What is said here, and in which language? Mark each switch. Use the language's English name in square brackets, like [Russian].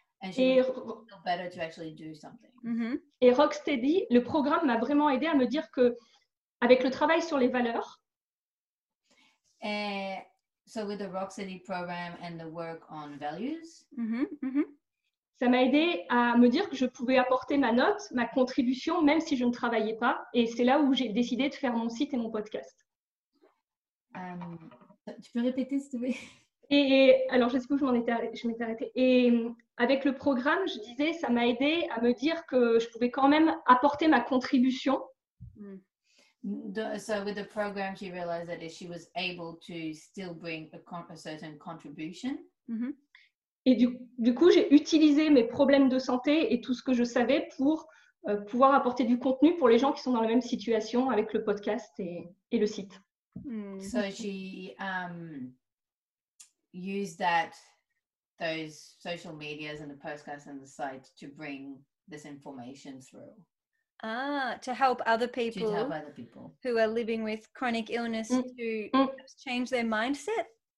[English] And she feel better to actually do something. [French] Et Rocksteady, le programme m'a vraiment aidé à me dire que avec le travail sur les valeurs. [English] So with the Rocksteady program and the work on values. [French] Ça m'a aidé à me dire que je pouvais apporter ma note, ma contribution, même si je ne travaillais pas. Et c'est là où j'ai décidé de faire mon site et mon podcast. Tu peux répéter, s'il te plaît. Et alors, je ne sais pas où je m'étais arrêtée. Et avec le programme, je disais, ça m'a aidé à me dire que je pouvais quand même apporter ma contribution. [English] So with the program, she realized that she was able to still bring a certain contribution. Mm-hmm. [French] Et du coup, j'ai utilisé mes problèmes de santé et tout ce que je savais pour pouvoir apporter du contenu pour les gens qui sont dans la même situation avec le podcast et le site. [English] So she used those social medias and the podcast and the site to bring this information through. Ah, to help other people. To help other people. Who are living with chronic illness to change their mindset.